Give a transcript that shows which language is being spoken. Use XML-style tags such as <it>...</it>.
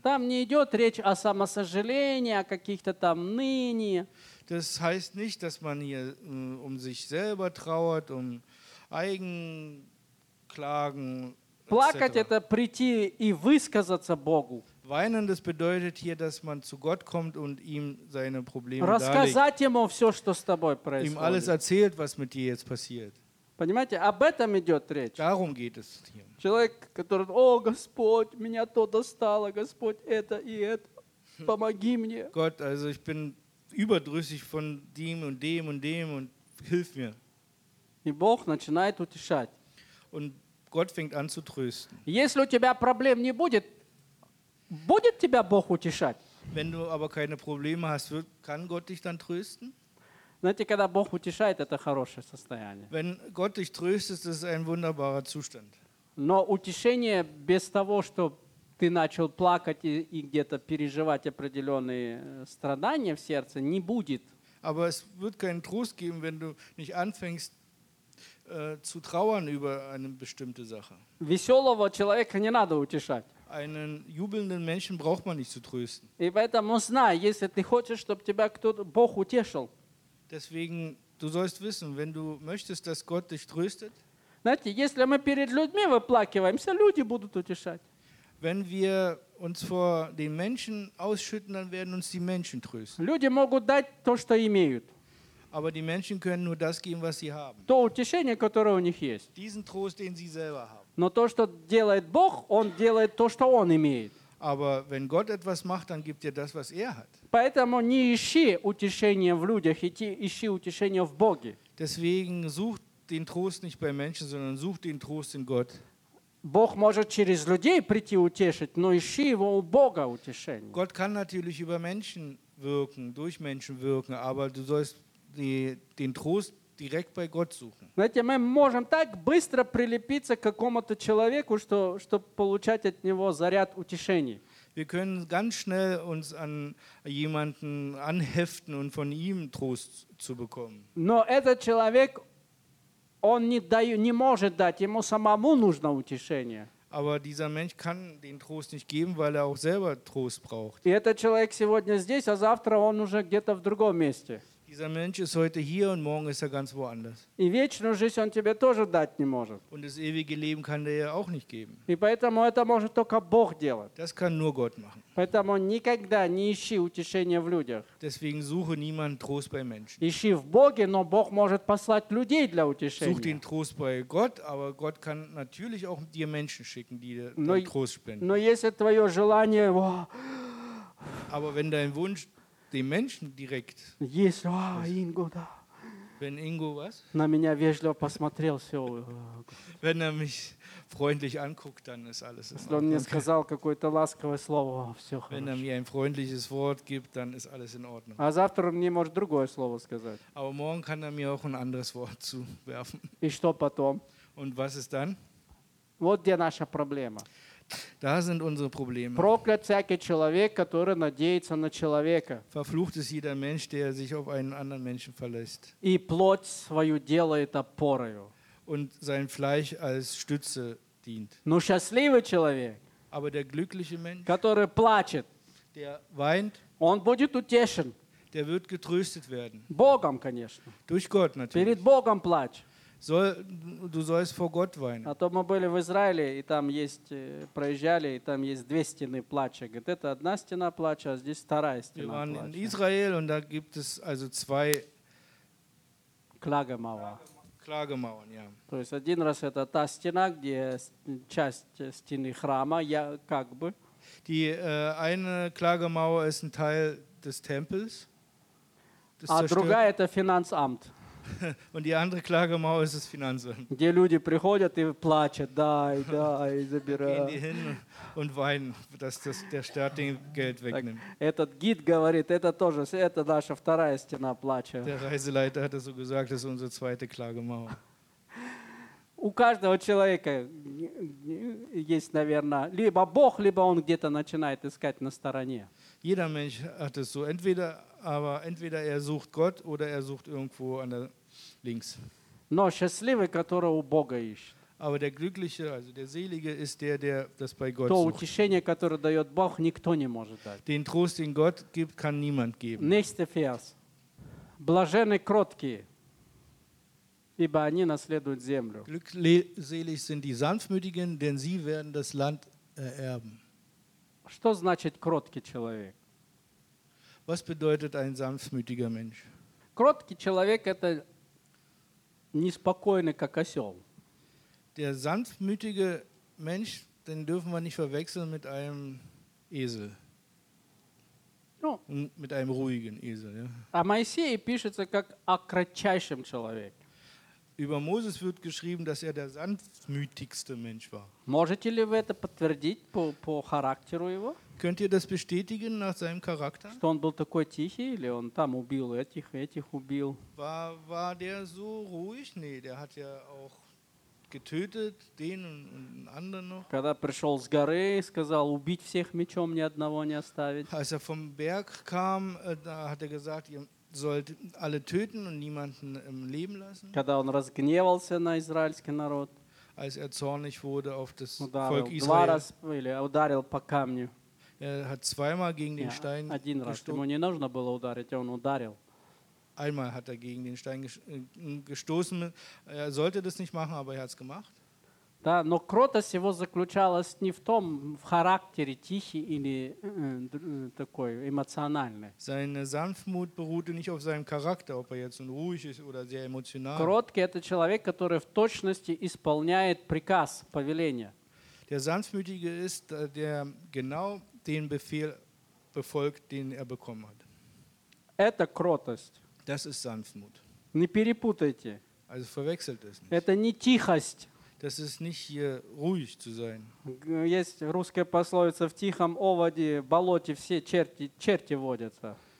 <ru>Там не идет речь о самосожалении, о каких-то там нынии.</ru> <de>Das heißt nicht, dass man hier um sich selber trauert, um Eigenklagen.</de> <ru>Плакать это прийти и высказаться Богу.</ru> <de>Weinen, das bedeutet hier, dass man zu Gott kommt und ihm seine Probleme</de> <ru>рассказать ему все, что с тобой происходит.</ru> <de>Ihm alles erzählt, was mit dir jetzt passiert.</de> <ru>Понимаете, об этом идет речь.</ru> <de>Darum geht es hier.</de> <ru>Человек, который, о, Господь, меня то достало, Господь, это и это, помоги мне.</ru> <de>Gott, also ich bin überdrüssig von dem und dem und dem und hilf mir.</de> <ru>И Бог начинает утешать.</ru> <de>Und Gott fängt an zu trösten.</de> <ru>Если у тебя проблем не будет, будет тебя Бог утешать?</ru> <de>Wenn du aber keine Probleme hast, kann Gott dich dann trösten?</de> <ru>Знаете, когда Бог утешает, это хорошее состояние.</ru> <de>Wenn Gott dich tröstet, das ist ein wunderbarer Zustand.</de> <ru>Но утешение без того, что ты начал плакать и где-то переживать определенные страдания в сердце, не будет.</ru> <de>Aber es wird keinen Trost geben, wenn du nicht anfängst zu trauern über eine bestimmte Sache.</de> <ru>Веселого человека не надо утешать.</ru> <de>einen jubelnden Menschen braucht man nicht zu trösten.</de> <ru>И поэтому знай, если ты хочешь, чтобы тебя кто-то Бог утешил.</ru> <de>Deswegen, du sollst wissen, wenn du möchtest, dass Gott dich tröstet.</de> <ru>Знаете, если мы перед людьми выплакиваемся, люди будут утешать.</ru> <de>Wenn wir uns vor den Menschen ausschütten, dann werden uns die Menschen trösten.</de> <ru>Люди могут дать то, что имеют.</ru> <de>Aber die Menschen können nur das geben, was sie haben.</de> <ru>То утешение, которое у них есть.</ru> <de>Diesen Trost, den sie selber haben.</de> <ru>Но то, что делает Бог, он делает то, что он имеет.</ru> <de>Aber wenn Gott etwas macht, dann gibt er das, was er hat.</de> <ru>Поэтому не ищи утешение в людях, ищи утешение в Боге.</ru> <de>Deswegen such den Trost nicht bei Menschen, sondern such den Trost in Gott.</de> <ru>Бог может через людей прийти утешить, но ищи его у Бога утешение.</ru> <de>Gott kann natürlich über Menschen wirken, durch Menschen wirken, aber du sollst den Trost direkt bei Gott suchen.</de> <ru>Знаете, мы можем так быстро прилепиться к какому-то человеку, чтобы получать от него заряд утешения.</ru> <de>Wir können ganz schnell uns an jemanden anheften und von ihm Trost zu bekommen.</de> <ru>Но этот человек, он не может дать, ему самому нужно утешение.</ru> <de>Aber dieser Mensch kann den Trost nicht geben, weil er auch selber Trost braucht.</de> <ru>И этот человек сегодня здесь, а завтра он уже где-то в другом месте.</ru> <de>Dieser Mensch ist heute hier und morgen ist er ganz woanders.</de> <ru>И вечную жизнь он тебе тоже дать не может.</ru> <de>Und das ewige Leben kann er ja auch nicht geben.</de> <ru>И поэтому это может только Бог делать.</ru> <de>Das kann nur Gott machen.</de> <ru>Поэтому никогда не ищи утешения в людях.</ru> <de>Deswegen suche niemand Trost bei Menschen.</de> <ru>Ищи в Боге, но Бог может послать людей для утешения.</ru> <de>Such den Trost bei Gott, aber Gott kann natürlich auch dir Menschen schicken, die dir Trost spenden.</de> <ru>Но если твое желание,</ru> <de>aber wenn dein Wunsch den Menschen direkt.</de> <en>Yes,</en> <de>oh, Ingo, da. Wenn Ingo was?</de> <ru>На меня вежливо посмотрел, все.</ru> <de>Wenn er mich freundlich anguckt, dann ist alles in Ordnung.</de> <ru>Он мне сказал какое-то ласковое слово, все хорошо.</ru> <de>Wenn er mir ein freundliches Wort gibt, dann ist alles in Ordnung.</de> <ru>А завтра мне может другое слово сказать.</ru> <de>Aber morgen kann er mir auch ein anderes Wort zuwerfen.</de> <ru>И что потом?</ru> <de>Und was ist dann?</de> <ru>Вот где наша проблема.</ru> <de>Da sind unsere Probleme.</de> <ru>Проклят всякий человек, который надеется на человека.</ru> <de>Verflucht ist jeder Mensch, der sich auf einen anderen Menschen verlässt.</de> <ru>И плоть свою делает опорою.</ru> <de>Und sein Fleisch als Stütze dient.</de> <ru>Но счастливый человек,</ru> <de>aber der glückliche Mensch,</de> <ru>который плачет,</ru> <de>der weint,</de> <ru>он будет утешен.</ru> <de>Der wird getröstet werden.</de> <ru>Богом, конечно.</ru> <de>Durch Gott natürlich.</de> <ru>Перед Богом плачь.</ru> <de>Du sollst vor Gott weinen.</de> <ru>А то мы были в Израиле, и там есть, проезжали, и там есть две стены плача. Говорит, это одна стена плача, а здесь вторая стена плача.</ru> <de>Wir waren in Israel, und da gibt es also zwei Klagemauern, ja.</de> <ru>То есть один раз это та стена, где часть стены храма, я как бы.</ru> <de>Die eine Klagemauer ist ein Teil des Tempels.</de> <ru>А другая это Finanzamt.</ru> <de>Und die andere Klagemauer ist das Finanzamt.</de> <ru>Где люди приходят и плачут, дай, дай, забирай.</ru> <de>Gehen die hin und weinen, dass das der Staat den Geld wegnimmt.</de> <ru>Этот гид говорит, это тоже, это наша вторая стена плача.</ru> <de>Der Reiseleiter hat das so gesagt, das ist unsere zweite Klagemauer.</de> <ru>У каждого человека есть, наверное, либо Бог, либо он где-то начинает искать на стороне.</ru> <de>Jeder Mensch hat es so, entweder er sucht Gott oder er sucht irgendwo an der links.</de> <ru>Но счастливый, который у Бога ищет.</ru> <de>Aber der Glückliche, also der Selige, ist der, der das bei Gott</de> <ru>то</ru> <de>sucht.</de> <ru>Утешение, которое дает Бог, никто не может дать.</ru> <de>Den Trost, den Gott gibt, kann niemand geben. Nächster Vers.</de> <ru>Блаженны кроткие, ибо они наследуют землю.</ru> <de>Glückselig sind die Sanftmütigen, denn sie werden das Land erben.</de> <ru>Что значит кроткий человек?</ru> <de>Was bedeutet ein sanftmütiger Mensch?</de> <ru>Кроткий человек это неспокойный, как осел.</ru> <de>Der sanftmütige Mensch, den dürfen wir nicht verwechseln mit einem Esel.</de> <ru>Ну,</ru> <de>mit einem ruhigen Esel, ja.</de> <ru>А Моисей пишется как о кратчайшем человеке.</ru> <de>Über Moses wird geschrieben, dass er der sanftmütigste Mensch war.</de> <ru>Можете ли вы это подтвердить по характеру его?</ru> <de>Könnt ihr das bestätigen nach seinem Charakter?</de> <ru>Что он был такой тихий или он там убил этих убил?</ru> <de>War der so ruhig? Nee, der hat ja auch getötet den und anderen noch.</de> <ru>Когда пришел с горы и сказал убить всех мечом, ни одного не оставить.</ru> <de>Als er vom Berg kam, da hat er gesagt, ihr sollt alle töten und niemanden leben lassen.</de> <ru>Когда он разгневался на израильский народ.</ru> <de>als er zornig wurde auf das</de> <ru>ударил,</ru> <de>Volk Israel.</de> <ru>Два раз, или ударил по камню.</ru> <de>Er hat zweimal gegen den Stein</de> <ru>один раз. Ему не нужно было ударить, он ударил.</ru> <de>Einmal hat er gegen den Stein gestoßen. Er sollte das nicht machen, aber er hat es gemacht.</de> <ru>Да, но кротость его заключалась не в том, в характере тихий или такой эмоциональный.</ru> <de>Seine Sanftmut beruhte nicht auf seinem Charakter, ob er jetzt ruhig ist oder sehr emotional.</de> <ru>Кроткий – это человек, который в точности исполняет приказ, повеление.</ru> <de>Der Sanftmütige ist, der genau den Befehl befolgt, den er bekommen hat.</de> <ru>Это кротость.</ru> <de>Das ist Sanftmut.</de> <ru>Не перепутайте.</ru> <de>Also verwechselt es nicht.</de> <ru>Это не тихость.</ru> <de>Das ist nicht hier ruhig zu sein.</de> <ru>Есть русская пословица: в тихом оводе, болоте все черти водятся.</ru>